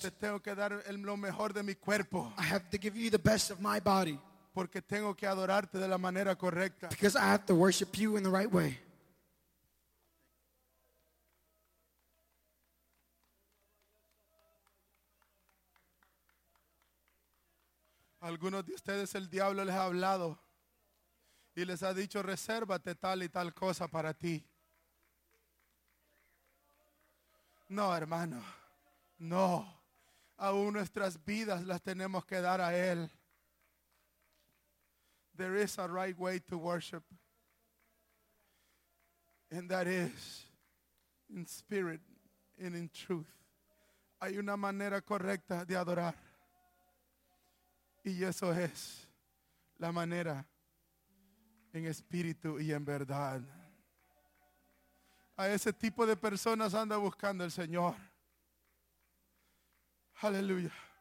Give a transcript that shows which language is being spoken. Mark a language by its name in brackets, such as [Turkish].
[Spanish] Te tengo que dar lo mejor de mi cuerpo. [English] I have to give you the best of my body. [Spanish] Porque tengo que adorarte de la manera correcta. [English] Because I have to worship you in the right way. [Spanish] Algunos de ustedes el diablo les ha hablado y les ha dicho, resérvate tal y tal cosa para ti. No, hermano, no. Aún nuestras vidas las tenemos que dar a Él. [English] There is a right way to worship. And that is in spirit and in truth. [Spanish] Hay una manera correcta de adorar. Y eso es la manera en espíritu y en verdad. A ese tipo de personas anda buscando el Señor. Aleluya.